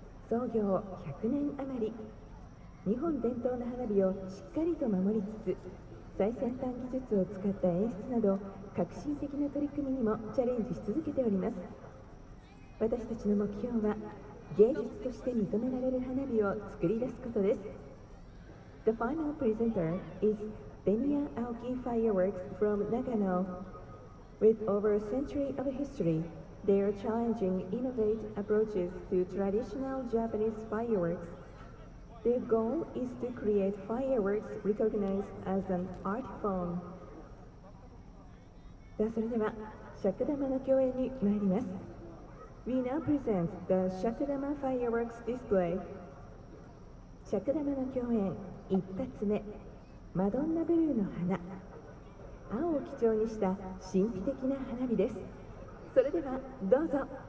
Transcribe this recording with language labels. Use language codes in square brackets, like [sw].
[ja] 創業100年余り、日本伝統の花火をしっかりと守りつつ、最先端技術を使った演出など革新的な取り組みにもチャレンジし続けております。私たちの目標は芸術として認められる花火を作り出すことです。 [en] The final presenter is Benya Aoki Fireworks from Nagano. With over a century of history, they are challenging innovative approaches to traditional Japanese fireworks. Their goal is to create fireworks recognized as an art form. [ja] それでは尺玉の共演に参ります。 [en] We now present the Shakudama Fireworks Display. [ja] Shakudama の共演一発目、マドンナブルーの花。青を基調にした神秘的な花火です。それではどうぞ。